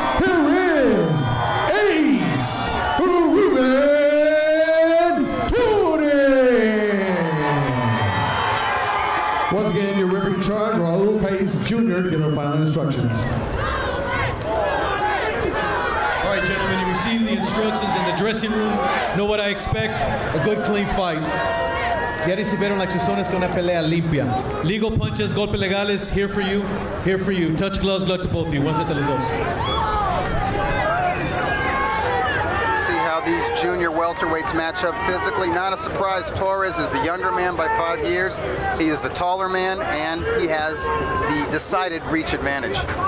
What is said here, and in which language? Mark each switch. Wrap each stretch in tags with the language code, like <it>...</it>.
<en>Here is Ace Ruben Torres. Once again, your referee in charge, Raul Pace Jr., to give the final instructions. All right, gentlemen, you receive the instructions in the dressing room. Know what I expect? A good, clean fight.</en> <es>Ya recibieron las instrucciones con una pelea limpia.</es> <en>Legal punches,</en> <es>golpes legales,</es> <en>here for you, here for you. Touch gloves, glove to both of you. One set to</en> <es>los dos.</es> <en>See how these junior welterweights match up physically. Not a surprise, Torres is the younger man by 5 years. He is the taller man, and he has the decided reach advantage.</en>